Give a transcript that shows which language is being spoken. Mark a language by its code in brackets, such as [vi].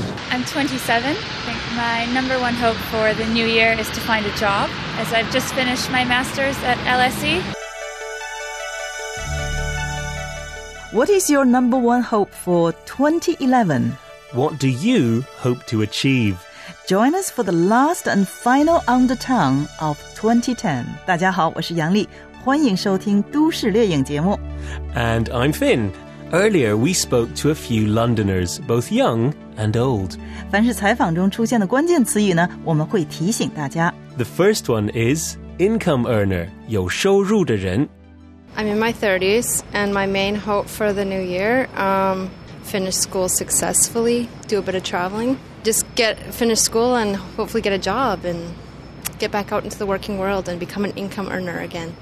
[en] I'm 27. I think my number one hope for the new year is to find a job, as I've just finished my master's at LSE. What is your number one hope for 2011? What do you hope to achieve? Join us for the last and final Undertone of 2010. [zh] 大家好，我是杨丽，欢迎收听都市猎影节目。 [en] And I'm Finn. Earlier, we spoke to a few Londoners, both young and old. [zh] 凡是采访中出现的关键词语呢，我们会提醒大家。 [en] The first one is income earner, [zh] 有收入的人。 [en] I'm in my 30s, and my main hope for the new year, finish school successfully, do a bit of traveling. Just finish school and hopefully get a job and get back out into the working world and become an income earner again.